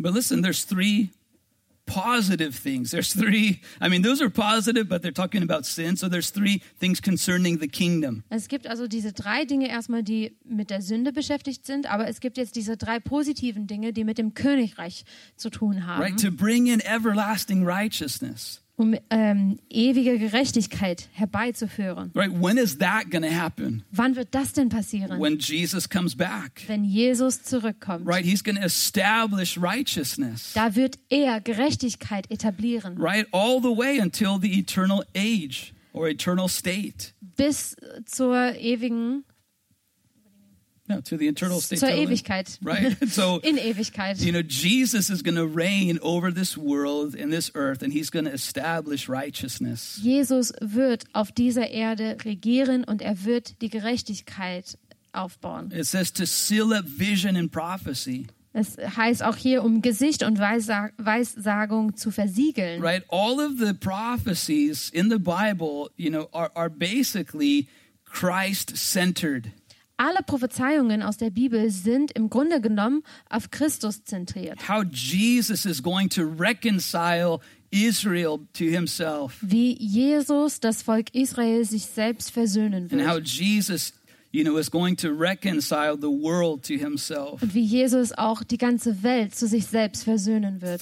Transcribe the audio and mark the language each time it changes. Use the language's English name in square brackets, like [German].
[English] But listen, there's three positive things. There's three, I mean, those are positive, but they're talking about sin. So there's three things concerning the kingdom. [German] Es gibt also diese drei Dinge erstmal, die mit der Sünde beschäftigt sind, aber es gibt jetzt diese drei positiven Dinge, die mit dem Königreich zu tun haben. [English] Right, to bring in everlasting righteousness. [German] Um ewige Gerechtigkeit herbeizuführen. [English] Right, when is that going to happen? [German] Wann wird das denn passieren? [English] When Jesus comes back. [German] Wenn Jesus zurückkommt. [English] Right, he's going to establish righteousness. [German] Da wird er Gerechtigkeit etablieren. [English] Right, all the way until the eternal age or eternal state. [German] Bis zur ewigen. [English] No, to the eternal state. [German] Zur Ewigkeit. [English] Right? So, [German] in Ewigkeit. [English] You know, Jesus is going to reign over this world and this earth, and he's going to establish righteousness. [German] Jesus wird auf dieser Erde regieren und er wird die Gerechtigkeit aufbauen. [English] It says to seal up vision and prophecy. [German] Es heißt auch hier, um Gesicht und Weissagung zu versiegeln. [English] Right? All of the prophecies in the Bible, you know, are basically Christ-centered. [German] Alle Prophezeiungen aus der Bibel sind im Grunde genommen auf Christus zentriert. [English] How Jesus is going to reconcile Israel to himself. [German] Wie Jesus das Volk Israel sich selbst versöhnen wird. [English] And how Jesus, you know, is going to reconcile the world to himself. [German] Und wie Jesus auch die ganze Welt zu sich selbst versöhnen wird.